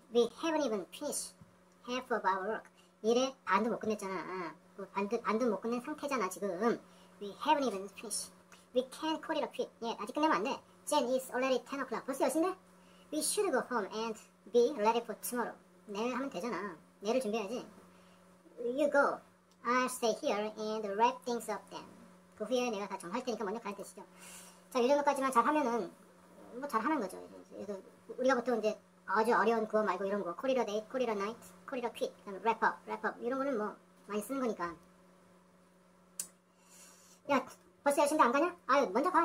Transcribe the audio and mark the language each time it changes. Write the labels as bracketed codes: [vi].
[en] We haven't even finished half of our work. [ko] 일에 반도 못 끝냈잖아. 반도 못 끝낸 상태잖아, 지금. [en] We haven't even finished. We can't call it a quit. [ko] 예, 아직 끝내면 안 돼. [en] Jen, it's already 10 o'clock. [ko] 벌써 10인데? [en] We should go home and be ready for tomorrow. [ko] 내일 하면 되잖아. 내일을 준비해야지. [en] You go. I'll stay here and wrap things up then. [ko] 그 후에 내가 다 정할 테니까 먼저 가야 되시죠. 자, 이 정도까지만 잘 하면은 뭐 잘 하는 거죠. 그래서 우리가 보통 이제 아주 어려운 구어 말고 이런 거 [en] call it a day, call it a night, call it a quit, wrap up [ko] 이런 거는 뭐 많이 쓰는 거니까. 야, 벌써 10시인데 안 가냐? 아유, 먼저 가.